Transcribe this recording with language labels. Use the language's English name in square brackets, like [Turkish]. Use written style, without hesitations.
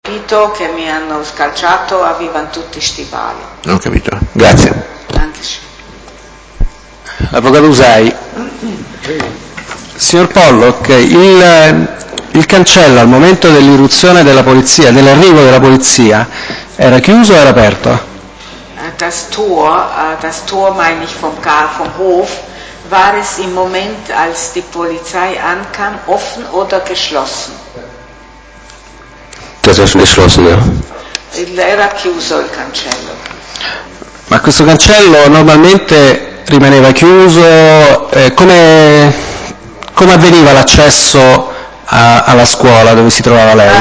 [Italian] detto che mi hanno scalciato, avevano tutti stivali. Ho capito, grazie. Avvocato Usai, signor Pollock, il cancello al momento dell'irruzione della polizia, dell'arrivo della polizia, era chiuso o era aperto? [German] Das Tor meine ich vom Karl vom Hof, war es im Moment, als die Polizei ankam, offen oder geschlossen? Das war schon geschlossen, ja. [Italian] Era chiuso il cancello. Ma questo cancello normalmente rimaneva chiuso, come avveniva l'accesso alla scuola dove si trovava lei?